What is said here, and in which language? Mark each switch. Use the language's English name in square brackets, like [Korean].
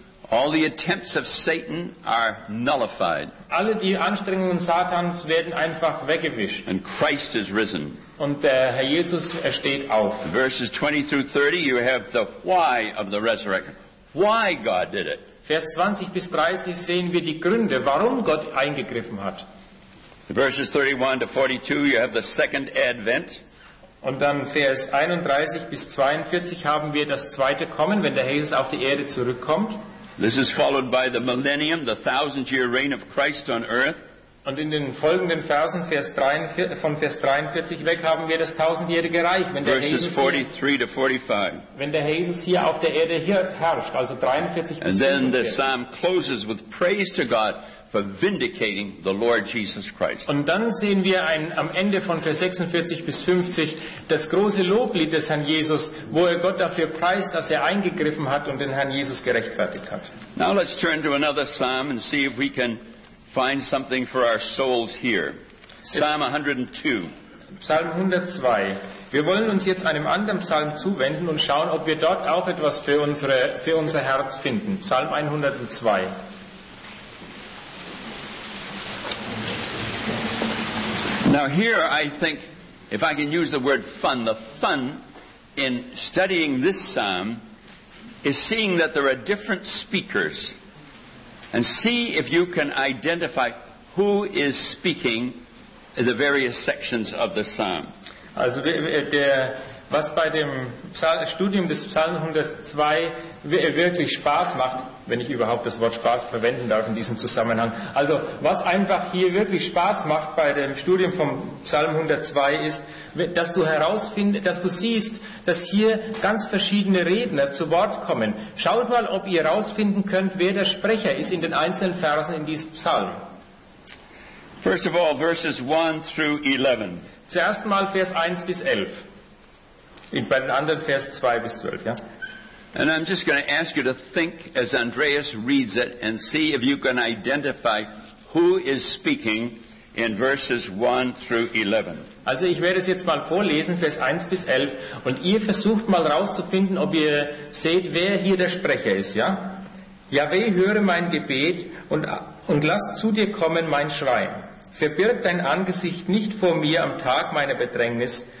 [English] All the attempts of Satan are nullified. [German] Alle die Anstrengungen Satans werden einfach weggewischt. [English] And Christ is risen. [German] Und der Herr Jesus steht auf. [English] Verses 20 through 30, you have the why of the resurrection. Why God did it. [German] Vers 20 bis 30 sehen wir die Gründe, warum Gott eingegriffen hat. [English] Verses 31 to 42, you have the second advent. [German] Und dann Vers 31 bis 42 haben wir das zweite Kommen, wenn der Herr Jesus auf die Erde zurückkommt. [English] This is followed by the millennium, the thousand-year reign of Christ on earth. [German] Und in den folgenden Versen, Vers 43 weg, haben wir das tausendjährige Reich, wenn der [English] Verses Jesus 43 to 45. [German] Wenn der Jesus hier auf der Erde hier herrscht, also 43 bis 45. [English] And then the psalm closes with praise to God for vindicating the Lord Jesus Christ. [German] Und dann sehen wir am Ende von Vers 46 bis 50 das große Loblied des Herrn Jesus, wo er Gott dafür preist, dass er eingegriffen hat und den Herrn Jesus gerechtfertigt hat. [English] Now let's turn to another psalm and see if we can find something for our souls here. Psalm 102. [German] Psalm 102. Wir wollen uns jetzt einem anderen Psalm zuwenden und schauen, ob wir dort auch etwas für unser Herz finden. Psalm 102. [English] Now here I think, if I can use the word fun, the fun in studying this psalm is seeing that there are different speakers. And see if you can identify who is speaking in the various sections of the psalm. [German] Also, was bei dem Studium des Psalm 102 wirklich Spaß macht, wenn ich überhaupt das Wort Spaß verwenden darf in diesem Zusammenhang. Also, was einfach hier wirklich Spaß macht bei dem Studium vom Psalm 102 ist, dass du herausfindest, dass du siehst, dass hier ganz verschiedene Redner zu Wort kommen. Schaut mal, ob ihr herausfinden könnt, wer der Sprecher ist in den einzelnen Versen in diesem Psalm. [English] First of all, verses 1 through 11. [German] Zuerst mal Vers 1 bis 11. Bei den anderen Vers 2 bis 12, ja? [English] And I'm just going to ask you to think as Andreas reads it and see if you can identify who is speaking in verses 1 through 11. [German] Also, ich werde es jetzt mal vorlesen, Vers 1 bis 11, und ihr versucht mal rauszufinden, ob ihr seht, wer hier der Sprecher ist, ja? Jahwe, höre mein Gebet und lass zu dir kommen mein Schreien. Verbirg dein Angesicht nicht vor mir am Tag meiner Bedrängnis.